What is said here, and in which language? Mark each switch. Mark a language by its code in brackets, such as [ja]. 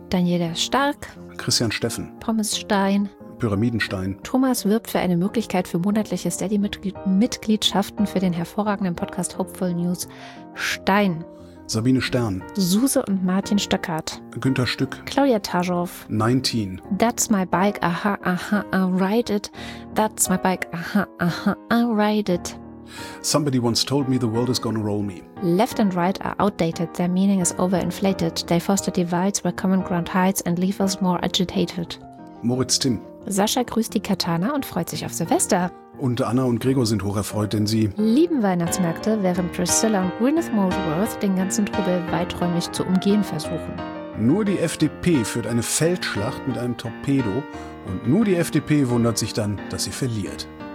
[de] Daniela Stark. Christian Steffen. Pommes Stein. Pyramidenstein. Thomas wirbt für eine Möglichkeit für monatliche Steady-Mitgliedschaften für den hervorragenden Podcast Hopeful News. Stein. Sabine Stern. Suse und Martin Stöckert. Günther Stück. Claudia Taschow. 19. [en] That's my bike, aha, aha, I ride it. That's my bike, aha, aha, I ride it. Somebody once told me the world is gonna roll me. Left and right are outdated, their meaning is overinflated. They foster divides where common ground hides and leave us more agitated. [de] Moritz Timm. Sascha grüßt die Katana und freut sich auf Silvester. Und Anna und Gregor sind hocherfreut, denn sie lieben Weihnachtsmärkte, während Priscilla und Gwyneth Moldworth den ganzen Trubel weiträumig zu umgehen versuchen. Nur die FDP führt eine Feldschlacht mit einem Torpedo und nur die FDP wundert sich dann, dass sie verliert.